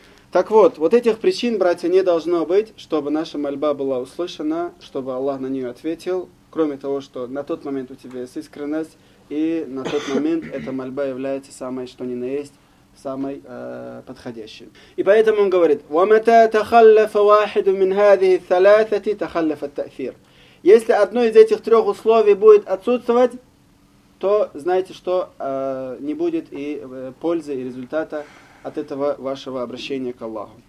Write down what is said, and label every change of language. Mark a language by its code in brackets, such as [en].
[ru] Так вот, вот этих причин, братья, не должно быть, чтобы наша мольба была услышана, чтобы Аллах на нее ответил, кроме того, что на тот момент у тебя есть искренность, и на тот момент эта мольба является самой, что ни на есть, самой подходящей. И поэтому он говорит, [ar] وَمَتَا تَخَلَّفَ وَاحِدُ مِنْ هَذِهِ الثَّلَاثَةِ تَخَلَّفَ التَّأْثِيرِ. [ru] Если одно из этих трех условий будет отсутствовать, то знаете, что не будет и пользы, и результата от этого вашего обращения к Аллаху.